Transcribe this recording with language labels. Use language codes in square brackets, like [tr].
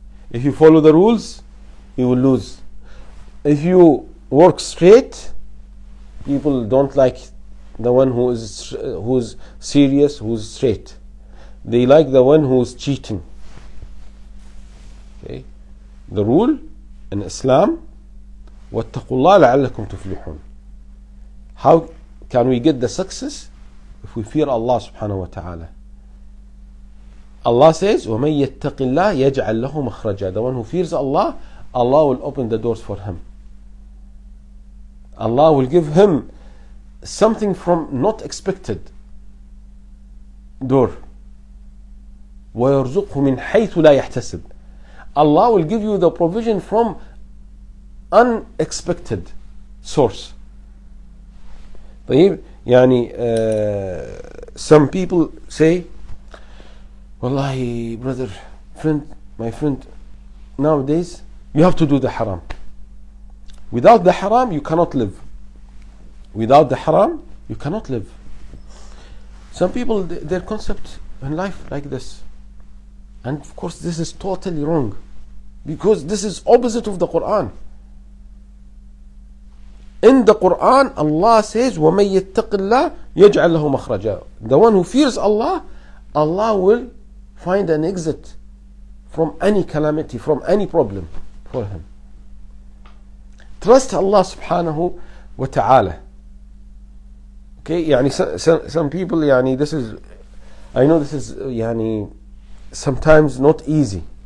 [en] If you follow the rules, you will lose. If you work straight, people don't like the one who's serious, who's straight. They like the one who's cheating. Okay? The rule in Islam, [ar] وَاتَّقُوا اللَّهَ لَعَلَّكُمْ تُفْلِحُونَ. [en] How can we get the success? If we fear Allah subhanahu wa ta'ala. Allah says, [ar] وَمَنْ يَتَّقِ اللَّهِ يَجْعَلْ لَهُ مَخْرَجًا. [en] The one who fears Allah, Allah will open the doors for him. Allah will give him something from not expected door. [ar] وَيَرْزُقْهُ مِنْ حَيْثُ لَا يَحْتَسِبْ. [en] Allah will give you the provision from unexpected source. [ar] طيب يعني [en] some people say, wallahi brother, friend, my friend, nowadays you have to do the haram. Without the haram you cannot live. Without the haram you cannot live. Some people, their concept in life like this, and of course this is totally wrong, because this is opposite of the Quran. In the Quran, Allah says, [ar] وَمَنْ يَتَّقِ اللَّهِ يَجْعَلْ لَهُ مَخْرَجًا. [en] The one who fears Allah, Allah will find an exit from any calamity, from any problem for him. Trust Allah subhanahu wa ta'ala. Okay, يعني some people, يعني this is, I know this is, يعني sometimes not easy.